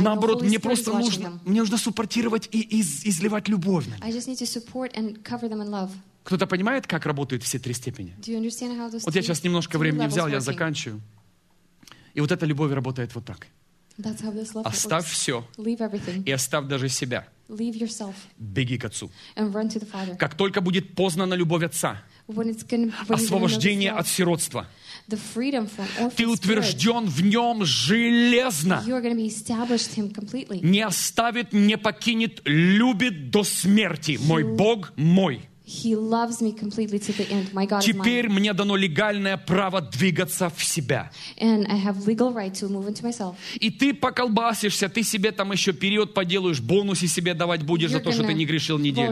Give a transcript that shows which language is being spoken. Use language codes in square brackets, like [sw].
[ru] Наоборот, мне просто нужно суппортировать и изливать любовь на них. [en] I just need to support and cover them in love. [ru] Кто-то понимает, как работают все три степени? Вот я сейчас немножко времени взял, я заканчиваю. И вот эта любовь работает вот так. Оставь все. И оставь даже себя. Беги к Отцу. Как только будет познана любовь Отца, освобождение от сиротства. Ты утвержден в нем железно. Не оставит, не покинет, любит до смерти. Мой Бог мой. [en] He loves me completely to the end. My God. [ru] Теперь мне дано легальное право двигаться в себя. [en] And I have legal right to move into myself. [ru] И ты поколбасишься, ты себе там еще период поделаешь, бонусы себе давать будешь за то, что ты не грешил неделю.